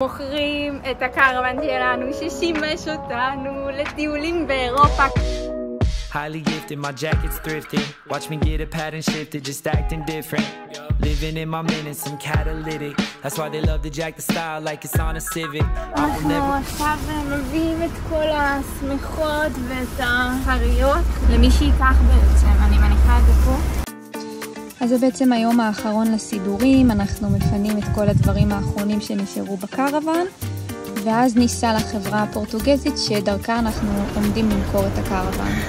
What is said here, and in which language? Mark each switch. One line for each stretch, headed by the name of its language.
Hebrew: מוכרים את הקרוון שלנו ששימש אותנו לטיולים באירופה.
English: Highly gifted, my jacket's thrifty. Watch me get a pattern shifted, just acting different. Living in my minutes, I'm catalytic. That's why they love to jack the style like it's on a civic.
Hebrew: אנחנו עכשיו מביאים את כל השמחות ואת החריות למי שיקח בעצם, אני מניחה את זה פה. אז זה בעצם היום האחרון לסידורים, אנחנו מפנים את כל הדברים האחרונים שנשארו בקרוון, ואז ניסע לחברה הפורטוגזית שדרכה אנחנו עומדים למכור את הקרוון.